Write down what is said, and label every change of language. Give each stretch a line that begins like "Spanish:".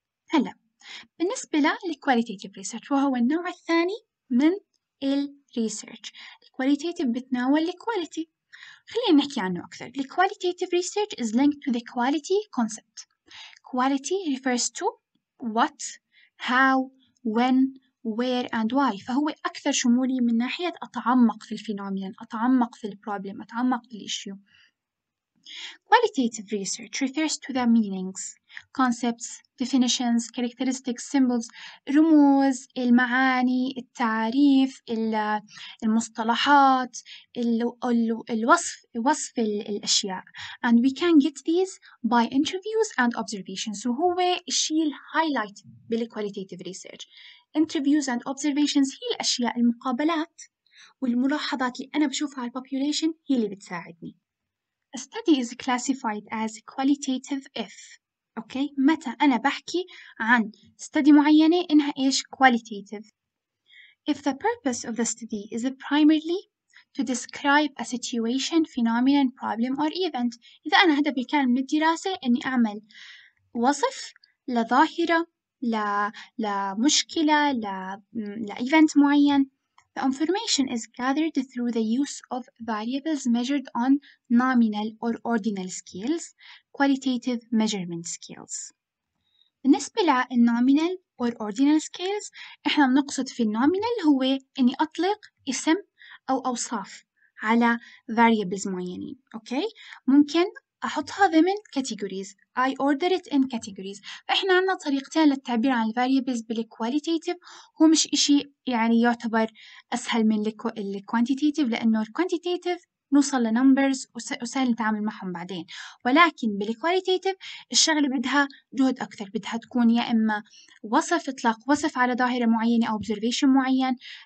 Arabic: هلا بالنسبة لل qualitative research وهو النوع الثاني من ال research. Qualitative بتناول quality خلينا نحكي عنه أكثر.
English: The qualitative research is linked to the quality concept. Quality refers to what, how, when, where and why.
Arabic: فهو أكثر شمولي من ناحية أتعمق في الفينومين، أتعمق في البروبلم، أتعمق في الإشيو.
English: Qualitative research refers to the meanings, concepts, definitions, characteristics, symbols,
Arabic: رموز، المعاني، التعريف، المصطلحات، الوصف الأشياء.
English: And we can get these by interviews and observations.
Arabic: So هو الشيء الهايلايت بالqualitative research.
English: Interviews and observations
Arabic: هي الأشياء المقابلات والملاحظات اللي أنا بشوفها على الpopulation هي اللي بتساعدني.
English: A study is classified as qualitative if.
Arabic: Okay, متى أنا بحكي عن study معينة إنها إيش qualitative.
English: If the purpose of the study is primarily to describe a situation, phenomenon, problem or event.
Arabic: إذا أنا هدفي كان من الدراسة إني أعمل وصف لظاهرة لمشكلة لإيفنت معين.
English: The information is gathered through the use of variables measured on nominal or ordinal scales, qualitative measurement scales.
Arabic: بالنسبة للنومينال والأوردينال سكيلز، إحنا بنقصد في النومينال هو إني أطلق اسم أو أوصاف على variables معينين، أوكي؟ ممكن أحطها ضمن categories،
English: I order it in categories.
Arabic: فإحنا عنا طريقتين للتعبير عن variables بالquantitative، هو مش إشي يعني يعتبر أسهل من الquantitative، لأنه الquantitative نوصل لنمبرز وسهل نتعامل معهم بعدين، ولكن بالكواليتيتيف الشغلة بدها جهد أكثر، بدها تكون يا إما وصف، إطلاق وصف على ظاهرة معينة أو observation معين